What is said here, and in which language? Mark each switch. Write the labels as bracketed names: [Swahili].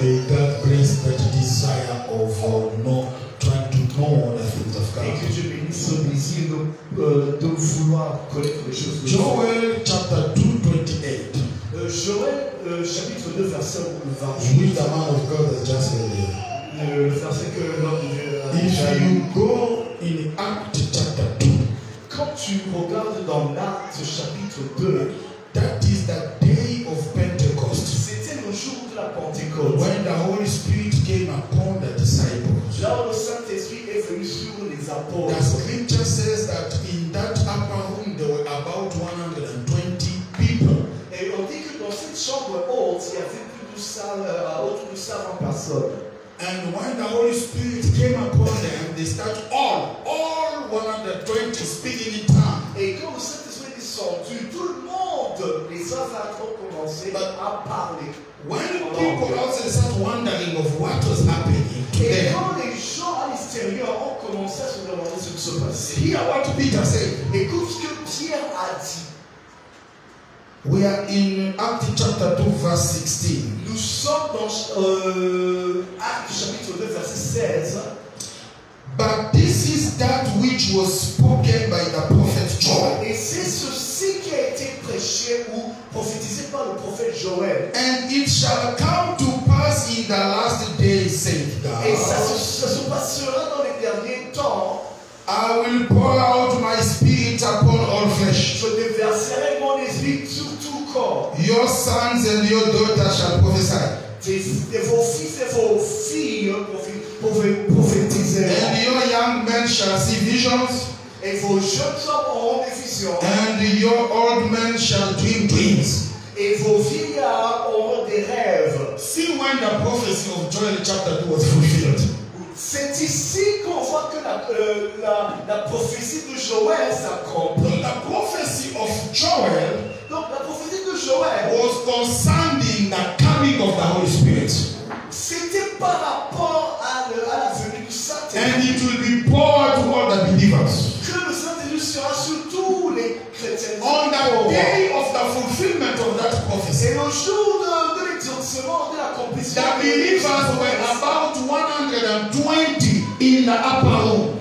[English] May God bless that desire of not trying to know the things of God. [French] Et que Dieu bénisse ce désir de vouloir connaître les choses de Dieu. [English] Joel chapter 2:28. [French] Joel chapitre 2, verset 20. [English] Oui, the man of God has just said it. [French] Le verset que l'homme de Dieu a dit. [English] If you go in Act chapter 2, [French] quand tu regardes dans l'acte chapitre 2, [English] that is the day of Pentecost. [French] C'était le jour de la Pentecôte. [English] When the Holy Spirit came upon the disciples. [French] Là où le Saint-Esprit est venu sur les apôtres. [English] The scripture says that in that upper room there were about 120 people. [French] Et on dit que dans cette chambre haute, il y avait plus de salles, autour de 120 personnes. [English] And when the Holy Spirit came upon them, they start all 120 speaking in tongues. [French] Et quand le Saint-Esprit est sorti, tout le monde, les uns à trop commencer à parler. [English] When people also start wondering of what was happening to [French] et [English] them. [French] Quand les gens à l'extérieur ont commencé à se demander ce qui se passait. [English] Hear what Peter said. [French] Écoute ce que Pierre a dit. [English] We are in Acts chapter 2, verse 16. [French] Nous sommes dans Acts chapitre 2, verset 16. [English] But this is that which was spoken by the prophet Joel. [French] Et c'est ceci qui a été prêché ou prophétisé par le prophète Joël. [English] And it shall come to pass in the last days, said God. [French] Et ça se passera dans les derniers temps. [English] I will pour out my spirit upon all flesh. [French] Je déverserai mon esprit sur tout corps. [English] Your sons and your daughters shall prophesy. [French] Vos fils et vos filles prophétiseront. [English] And your young men shall see visions. [French] Et vos jeunes hommes auront des visions. [English] And your old men shall dream dreams. [French] Et vos vieillards auront des rêves. [English] See when the prophecy of Joel chapter 2 was fulfilled. [French] C'est ici qu'on voit que la prophétie de Joël s'accomplit. [English] The prophecy of Joel. [French] Donc la prophétie de Joël [English] was concerning the coming of the Holy Spirit. [French] C'était par rapport à la venue du Saint-Esprit. [English] And it will be poured to all the believers. [French] Que le Saint-Esprit sera sur tous les chrétiens. [English] On the day of the fulfillment of that prophecy. [French] Et le jour de l'exaucement de la prophétie. [English] The believers were about 120 in the upper room.